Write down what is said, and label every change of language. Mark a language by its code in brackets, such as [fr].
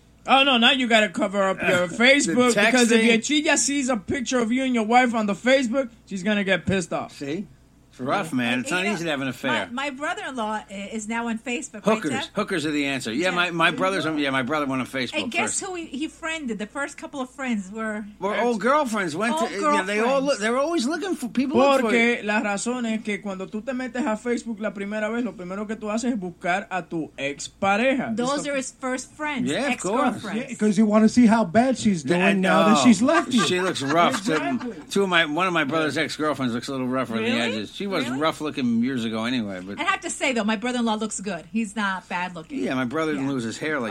[en] Oh, no, now you got to cover up your Facebook. Because if your chia sees a picture of you and your wife on the Facebook, she's going to get pissed off. See? It's rough, man. It's not easy to have an affair. My brother-in-law is now on Facebook. Hookers. Right, hookers are the answer. Yeah, my brother went on Facebook. And guess first. Who he friended? The first couple of friends were... Old girlfriends. Yeah, they're always looking for people. [es] Porque la razón es que cuando tú te metes a Facebook la primera vez, lo primero que tú haces es buscar a tu ex-pareja. [en] Those are his first friends. Yeah, of course. Because you want to see how bad she's doing now that she's left you. She looks rough. One of my brother's ex-girlfriends looks a little rougher on the edges. She was rough looking years ago anyway. But I have to say, though, my brother-in-law looks good. He's not bad looking. Yeah, my brother didn't lose his hair like